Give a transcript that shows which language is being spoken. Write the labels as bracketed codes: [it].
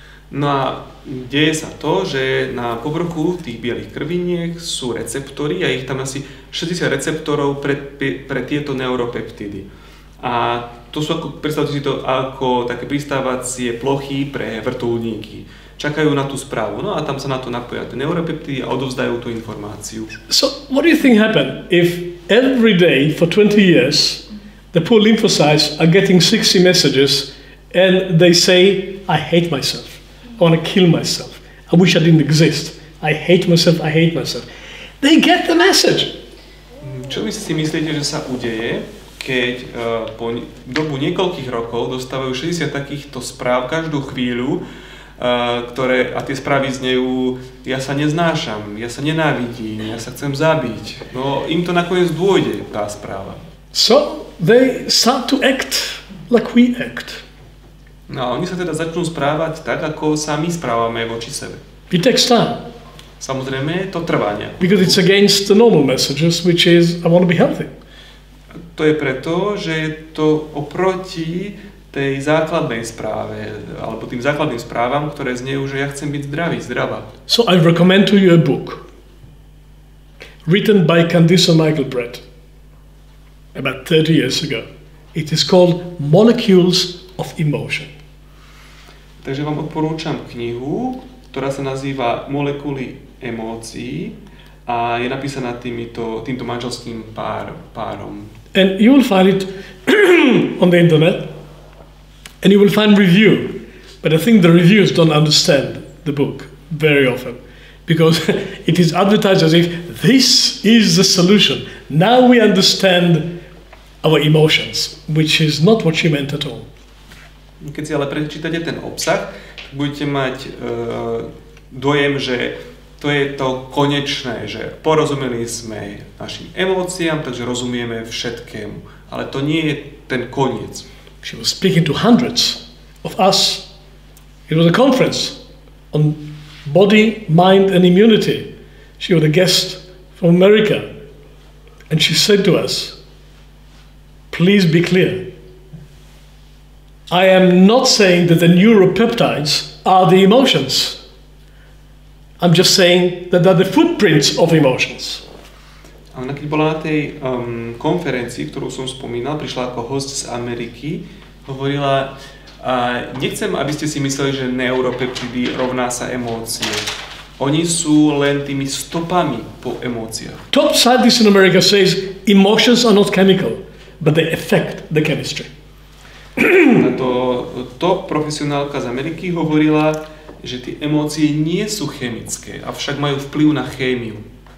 [sk] No a deje sa to, že na povrchu tých bielých krviniek sú receptory a ich tam asi 60 receptorov pre tieto neuropeptidy. A to sú, ako, predstavte si to, ako také pristávacie plochy pre vrtuľníky. Čakajú na tú správu. No a tam sa na to napojia tie neuropeptidy a odovzdajú tú informáciu. [en] So, what do you think happened if every day for 20 years the poor lymphocytes are getting 60 messages and they say, I hate myself. I want to kill myself. I wish I didn't exist. I hate myself, I hate myself. They get the message. [sk] Čo vy si myslíte, že sa udeje, keď po dobu niekoľkých rokov dostávajú 60 takýchto správ každú chvíľu, ktoré, a tie správy znejú, ja sa neznášam, ja sa nenávidím, ja sa chcem zabiť. No, im to nakoniec dôjde, tá správa. [en] So, they start to act like we act. [sk] No, oni sa teda začnú správať tak, ako sa my správame voči sebe. [en] It takes time. [sk] Samozrejme, to trvá nejak. [en] Because it's against the normal messages, which is, I want to be healthy. [sk] To je preto, že je to oproti tej základnej správe, alebo tým základným správam, ktoré znejú, že ja chcem byť zdravý, zdravá. [en] So I recommend to you a book written by Candice and Michael Brett about 30 years ago. It is called Molecules of Emotion. [sk] Takže vám odporúčam knihu, ktorá sa nazýva Molekuly emócií a je napísaná týmto manželským párom. [en] And you will find it on the internet. And you will find review, but I think the reviews don't understand the book very often because it is advertised as if this is the solution. Now we understand our emotions, which is not what she meant at all. [sk] Keď si ale prečítate ten obsah, budete mať dojem, že to je to konečné, že porozumeli sme našim emóciám, takže rozumieme všetkému, ale to nie je ten koniec. [en] She was speaking to hundreds of us. It was a conference on body, mind and immunity. She was a guest from America. And she said to us, please be clear. I am not saying that the neuropeptides are the emotions. I'm just saying that they're the footprints of emotions. [sk] Ale keď bola na tej konferencii, ktorú som spomínal, prišla ako host z Ameriky, hovorila, nechcem, aby ste si mysleli, že neuropeptidy rovná sa emócie. Oni sú len tými stopami po emóciách. [en] Top scientist in America says emotions are not chemical, but they affect the chemistry. [sk] To top profesionálka z Ameriky hovorila, že tie emócie nie sú chemické, avšak majú vplyv na chémiu.